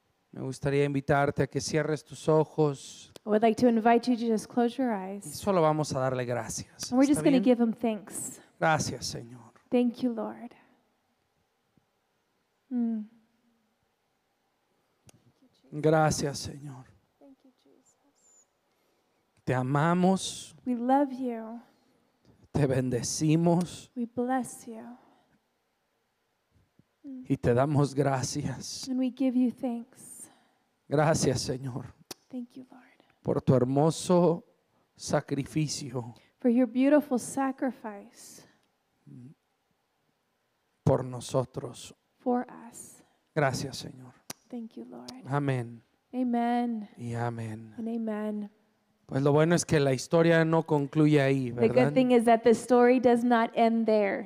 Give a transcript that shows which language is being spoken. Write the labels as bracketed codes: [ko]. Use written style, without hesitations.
[es] Me gustaría invitarte a que cierres tus ojos. [en] I would like to invite you to just close your eyes. [es] Y solo vamos a darle gracias. [en] And we're just going to give him thanks. [es] Gracias, Señor. [en] Thank you, Lord. Mm. [es] Gracias, Señor. [en] Thank you, Jesus. [es] Te amamos. [en] We love you. [es] Te bendecimos. [en] We bless you. [es] Y te damos gracias. [en] And we give you thanks. [es] Gracias, Señor. [en] Thank you, Lord. [es] Por tu hermoso sacrificio. [en] For your beautiful sacrifice. [es] Por nosotros. [en] For us. [es] Gracias, Señor. [en] Thank you, Lord. [es] Amén. [en] Amen. [es] Y amén. [en] And amen. [es] Pues lo bueno es que la historia no concluye ahí, ¿verdad? [en] The good thing is that the story does not end there.